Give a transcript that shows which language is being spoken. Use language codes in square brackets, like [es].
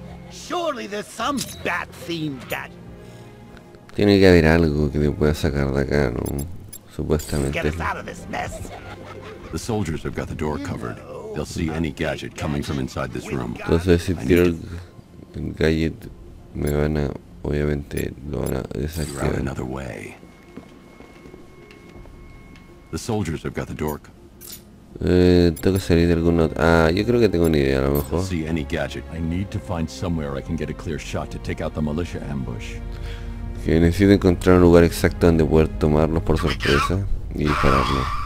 [en] Surely there's some bat-themed gadget. [es] Tiene que haber algo que te pueda sacar de acá, ¿no? Supuestamente. [en] Get us out of this mess. The soldiers have got the door covered. They'll see any gadget coming from inside this room. [es] Entonces si tiro el gadget me van a obviamente lo van a desactivar. [en] Another way. The soldiers have got the door. [es] Tengo que salir de algún otro... Ah, yo creo que tengo una idea, a lo mejor. [en] See any gadget. I need to find somewhere I can get a clear shot to take out the militia ambush. [es] Que necesito encontrar un lugar exacto donde poder tomarlos por sorpresa y dispararlo.